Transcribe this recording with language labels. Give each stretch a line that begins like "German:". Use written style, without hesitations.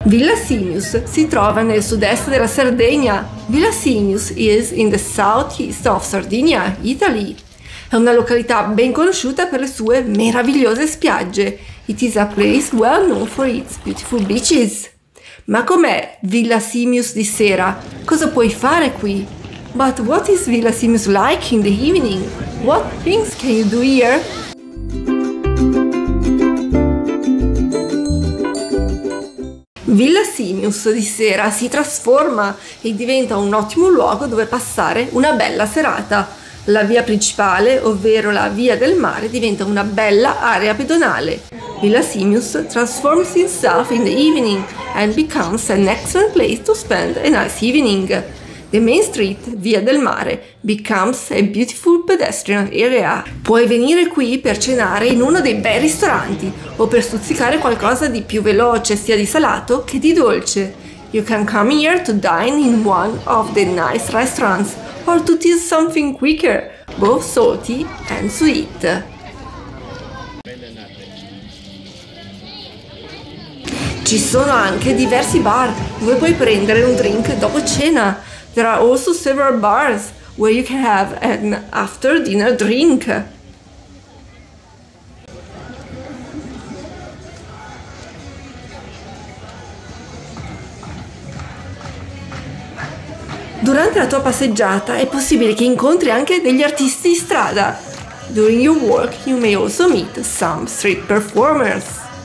Italian: Villasimius si trova nel sud-est della Sardegna.
English: Villasimius is in the southeast of Sardinia, Italy.
Italian: È una località ben conosciuta per le sue meravigliose spiagge.
English: It is a place well known for its beautiful beaches.
Italian: Ma com'è Villasimius di sera? Cosa puoi fare qui?
English: But what is Villasimius like in the evening? What things can you do here?
Italian: Villasimius di sera si trasforma e diventa un ottimo luogo dove passare una bella serata. La via principale, ovvero la via del mare, diventa una bella area pedonale.
English: Villasimius transforms himself in the evening and becomes an excellent place to spend a nice evening. The main street, via del mare, becomes a beautiful pedestrian area.
Italian: Puoi venire qui per cenare in uno dei bei ristoranti o per stuzzicare qualcosa di più veloce, sia di salato che di dolce.
English: You can come here to dine in one of the nice restaurants or to eat something quicker, both salty and sweet.
Italian: Ci sono anche diversi bar dove puoi prendere un drink dopo cena.
English: There are also several bars where you can have an after-dinner drink.
Italian: Durante la tua passeggiata è possibile che incontri anche degli artisti di strada.
English: During your walk you may also meet some street performers.